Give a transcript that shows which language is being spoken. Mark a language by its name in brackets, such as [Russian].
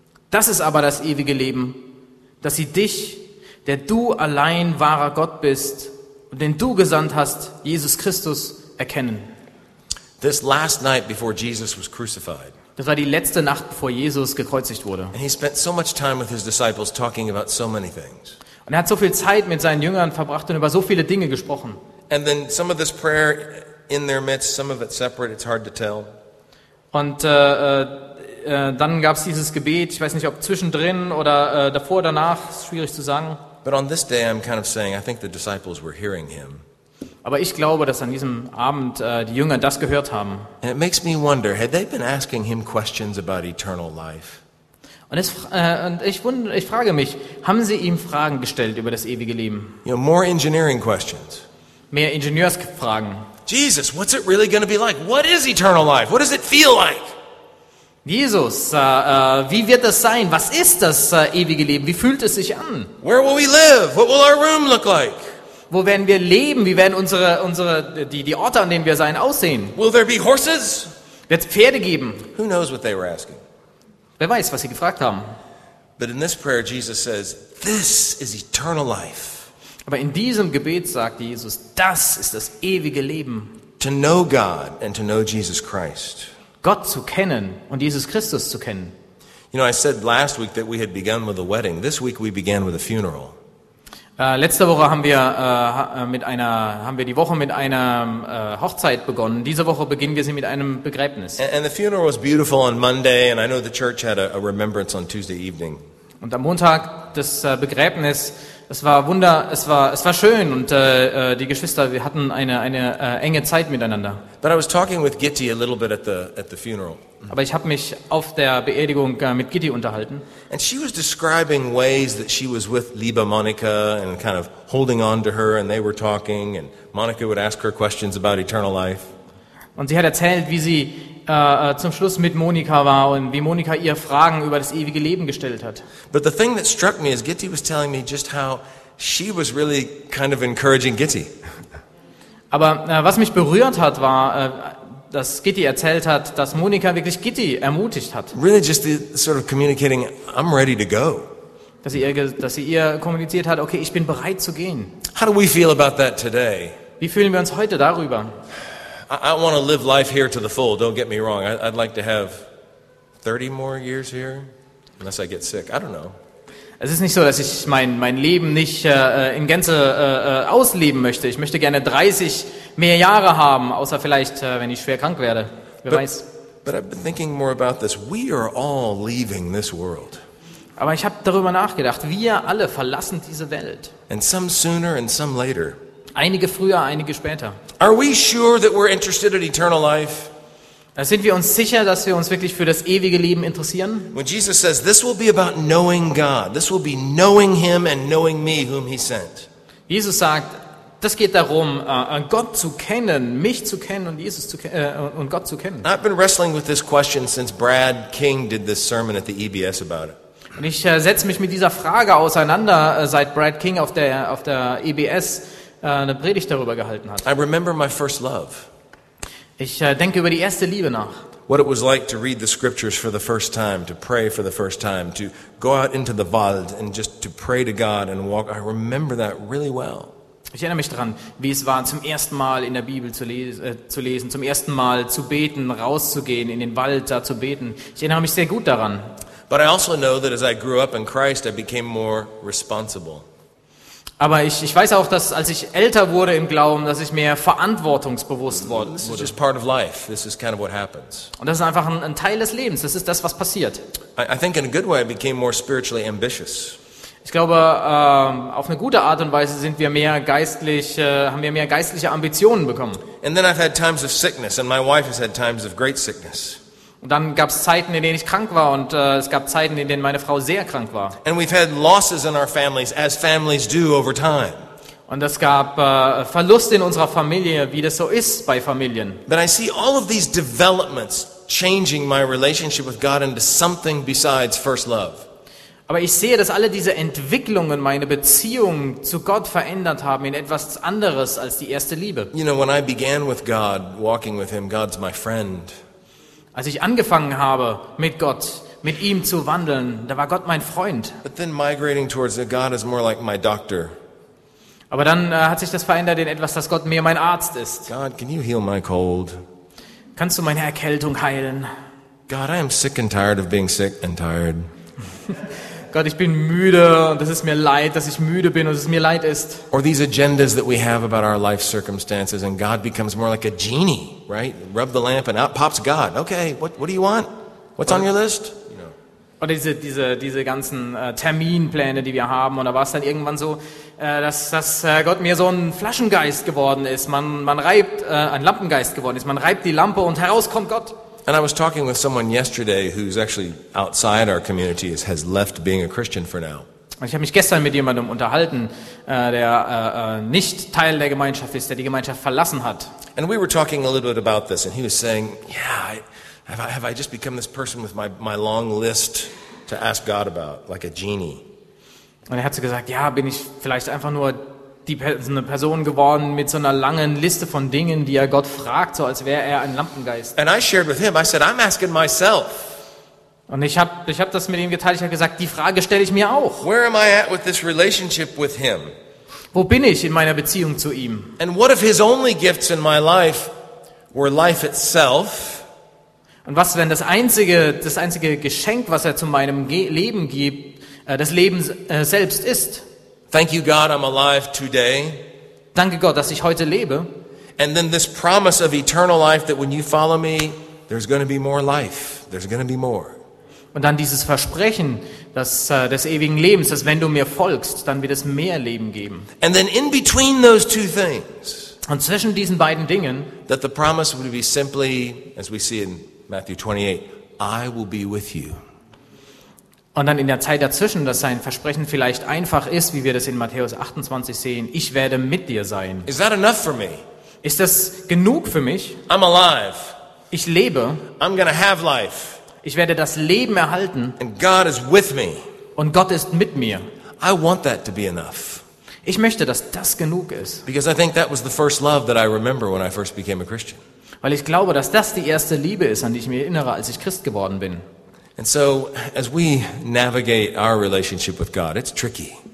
[German] Das ist aber das ewige Leben, dass sie dich, der du allein wahrer Gott bist und den du gesandt hast, Jesus Christus, erkennen. [English] This last night before Jesus was crucified. [German] Das war die letzte Nacht, bevor Jesus gekreuzigt wurde. [English] And he spent so much time with his disciples talking about so many things. [German] Und er hat so viel Zeit mit seinen Jüngern verbracht und über so viele Dinge gesprochen. [English] And then some of this prayer in their midst, some of it separate, it's hard to tell. [German] Und dann gab es dieses Gebet, ich weiß nicht, ob zwischendrin oder davor oder danach, ist schwierig zu sagen. [English] But on this day I'm kind of saying, I think the disciples were hearing him. [German] Aber ich glaube, dass an diesem Abend die Jünger das gehört haben. [English] And it makes me wonder, had they been asking him questions about eternal life? [German] Und ich frage mich, haben sie ihm Fragen gestellt über das ewige Leben? [English] You know, more engineering questions. [German] Mehr Ingenieursfragen. [English] Jesus, what's it really going to be like? What is eternal life? What does it feel like? [German] Jesus, wie wird das sein? Was ist das ewige Leben? Wie fühlt es sich an? [English] Where will we live? What will our room look like? [German] Wo werden wir leben? Wie werden unsere Orte, an denen wir sein, aussehen? [English] Will there be horses? [German] Wird es Pferde geben? [English] Who knows what they were asking? [German] Wer weiß, was sie gefragt haben? [English] But in this prayer, Jesus says, "This is eternal life." [German] Aber in diesem Gebet sagt Jesus, das ist das ewige Leben. [English] To know God and to know Jesus Christ. [German] Gott zu kennen und Jesus Christus zu kennen. [English] You know, I said last week that we had begun with a wedding. This week we began with a funeral. [German] Letzte Woche haben wir die Woche mit einer Hochzeit begonnen. Diese Woche beginnen wir sie mit einem Begräbnis. [English] And the funeral was beautiful on Monday, and I know the church had a remembrance on Tuesday evening. [German] Und am Montag das Begräbnis, es war schön und die Geschwister, wir hatten eine enge Zeit miteinander. [English] But I was talking with Gitti a little bit at the funeral. [German] Aber ich habe mich auf der Beerdigung mit Gitti unterhalten. [English] And she was describing ways that she was with Liebe Monika and kind of holding on to her, and they were talking and Monika would ask her questions about eternal life. [German] Und sie hat erzählt, wie sie zum Schluss mit Monika war und wie Monika ihr Fragen über das ewige Leben gestellt hat. [English] But the thing that struck me is Gitti was telling me just how she was really kind of encouraging Gitti. [German] Aber was mich berührt hat, war, dass Gitti erzählt hat, dass Monika wirklich Gitti ermutigt hat. [English] Really just the sort of communicating, I'm ready to go. [German] Dass sie ihr kommuniziert hat, okay, ich bin bereit zu gehen. [English] How do we feel about that today? [German] Wie fühlen wir uns heute darüber? [English] I want to live life here to the full. Don't get me wrong. I'd like to have 30 more years here, unless I get sick. I don't know. [German] Es ist nicht so, dass ich mein Leben nicht in Gänze ausleben möchte. Ich möchte gerne 30 mehr Jahre haben, außer vielleicht, wenn ich schwer krank werde. Wer weiß. [English] But I've been thinking more about this. We are all leaving this world. [German] Aber ich habe darüber nachgedacht. Wir alle verlassen diese Welt. [English] And some sooner and some later. [German] Einige früher, einige später. [English] Are we sure that we're interested in eternal life? [German] Sind wir uns sicher, dass wir uns wirklich für das ewige Leben interessieren? [English] When Jesus says, this will be about knowing God. This will be knowing him and knowing me whom he sent. [German] Jesus sagt, das geht darum, Gott zu kennen, mich zu kennen und Jesus zu und Gott zu kennen. [English] I've been wrestling with this question since Brad King did this sermon at the EBS about it. [German] Und ich setze mich mit dieser Frage auseinander, seit Brad King auf der EBS eine Predigt darüber gehalten hat. [English] I remember my first love. [German] Ich denke über die erste Liebe nach. [English] What it was like to read the scriptures for the first time, to pray for the first time, to go out into the Wald and just to pray to God and walk. I remember that really well. [German] Ich erinnere mich daran, wie es war, zum ersten Mal in der Bibel zu lesen, zum ersten Mal zu beten, rauszugehen, in den Wald da zu beten. Ich erinnere mich sehr gut daran. [English] But I also know that as I grew up in Christ, I became more responsible. [German] Aber ich weiß auch, dass als ich älter wurde im Glauben, dass ich mehr verantwortungsbewusst wurde. [English] This is just part of life. This is kind of what happens. [German] Und das ist einfach ein Teil des Lebens. Das ist das, was passiert. [English] I think in a good way I became more spiritually ambitious. [German] Ich glaube, auf eine gute Art und Weise sind wir mehr geistlich, haben wir mehr geistliche Ambitionen bekommen. [English] And then I've had times of sickness, and my wife has had times of great sickness. [German] Und dann gab es Zeiten, in denen ich krank war, und es gab Zeiten, in denen meine Frau sehr krank war. [English] And we've had losses in our families, as families do over time. [German] Und es gab Verluste in unserer Familie, wie das so ist bei Familien. [English] But I see all of these developments changing my relationship with God into something besides first love. [German] Aber ich sehe, dass alle diese Entwicklungen meine Beziehung zu Gott verändert haben in etwas anderes als die erste Liebe. [English] You know, when I began with God, walking with him, God's my friend. [German] Als ich angefangen habe, mit Gott, mit ihm zu wandeln, da war Gott mein Freund. [English] But then migrating towards God is more like my doctor. [German] Aber dann hat sich das verändert in etwas, dass Gott mehr mein Arzt ist. [English] God, can you heal my cold? [German] Kannst du meine Erkältung heilen? [English] God, I am sick and tired of being sick and tired. [German] Gott, ich bin müde und es ist mir leid, dass ich müde bin und es mir leid ist. [English] Or these agendas that we have about our life circumstances, and God becomes more like a genie, right? Rub the lamp and out pops God. Okay, what do you want? What's on your list? You know. [German] Oder diese ganzen Terminpläne, die wir haben, oder war es dann irgendwann so, dass Gott mir so ein Flaschengeist geworden ist, ein Lampengeist geworden ist, man reibt die Lampe und heraus kommt Gott. [English] And I was talking with someone yesterday who's actually outside our community, has left being a Christian for now. [German] Ich habe mich gestern mit jemandem unterhalten, der nicht Teil der Gemeinschaft ist, der die Gemeinschaft verlassen hat. [English] And we were talking a little bit about this, and he was saying, yeah, Have I just become this person with my long list to ask God about, like a genie? [German] Und er hat so gesagt, ja, bin ich vielleicht einfach nur eine Person geworden mit so einer langen Liste von Dingen, die er Gott fragt, so als wäre er ein Lampengeist. [English] And I shared with him, I said, I'm asking myself. [German] Und ich hab das mit ihm geteilt, ich habe gesagt, die Frage stelle ich mir auch. [English] Where am I at with this relationship with him? [German] Wo bin ich in meiner Beziehung zu ihm? [English] And what if his only gifts in my life were life itself? [German] Und was, wenn das einzige Geschenk, was er zu meinem Leben gibt, das Leben selbst ist? [English] Thank you, God, I'm alive today. [German] Danke Gott, dass ich heute lebe. [English] And then this promise of eternal life, that when you follow me, there's going to be more life. There's going to be more. [German] Und dann dieses Versprechen, dass des ewigen Lebens, dass wenn du mir folgst, dann wird es mehr Leben geben. [English] And then in between those two things. [German] Und zwischen diesen beiden Dingen. [English] That the promise would be simply, as we see in Matthew 28, I will be with you. [German] Und dann in der Zeit dazwischen, dass sein Versprechen vielleicht einfach ist, wie wir das in Matthäus 28 sehen, ich werde mit dir sein. [English] Is that enough for me? [German] Ist das genug für mich? [English] I'm alive. [German] Ich lebe. [English] I'm gonna have life. [German] Ich werde das Leben erhalten. [English] And God is with me. [German] Und Gott ist mit mir. [English] I want that to be enough. [German] Ich möchte, dass das genug ist. [English] Because I think that was the first love that I remember when I first became a Christian. [German] Weil ich glaube, dass das die erste Liebe ist, an die ich mich erinnere, als ich Christ geworden bin. [English] And so, as we navigate our relationship with God, it's tricky.